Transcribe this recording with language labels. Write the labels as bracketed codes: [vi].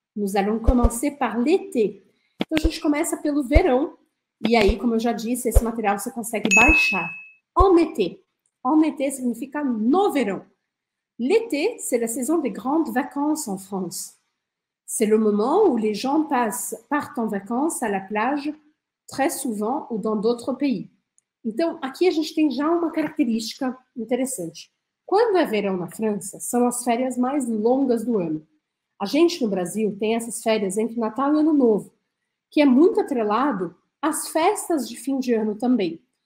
[fr] Nós allons commencer par l'été. [pt] Então, a gente começa pelo verão. E aí, como eu já disse, esse material você consegue baixar. [fr] En été. En été [pt] significa no verão. [fr] L'été, c'est la saison des grandes vacances en France. C'est le moment où les gens partent en vacances à la plage, très souvent, ou dans d'autres pays. [pt] Então, aqui a gente tem já uma característica interessante. Quando é verão na França, são as férias mais longas do ano. A gente no Brasil tem essas férias entre Natal e Ano Novo, que é muito atrelado às festas de fim de ano também.